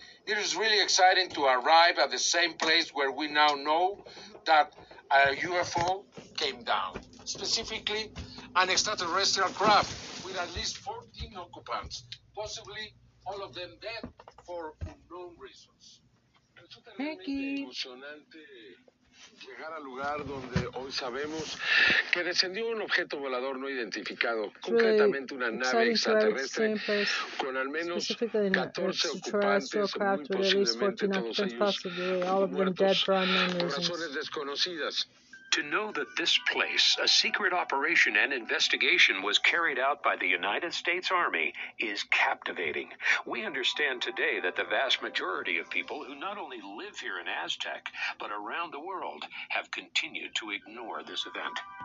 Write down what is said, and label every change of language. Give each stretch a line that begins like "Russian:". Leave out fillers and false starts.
English: It is really exciting to arrive at the same place where we now know that a UFO came down, specifically an extraterrestrial craft with at least 14 occupants, possibly all of them dead for unknown reasons.
Spanish: Llegar al lugar donde hoy sabemos que descendió un objeto volador no identificado, concretamente una nave extraterrestre, con al menos 14 ocupantes, muy posiblemente todos ellos muertos por razones desconocidas.
English: To know that this place, a secret operation and investigation was carried out by the United States Army, is captivating. We understand today that the vast majority of people who not only live here in Aztec, but around the world, have continued to ignore this event.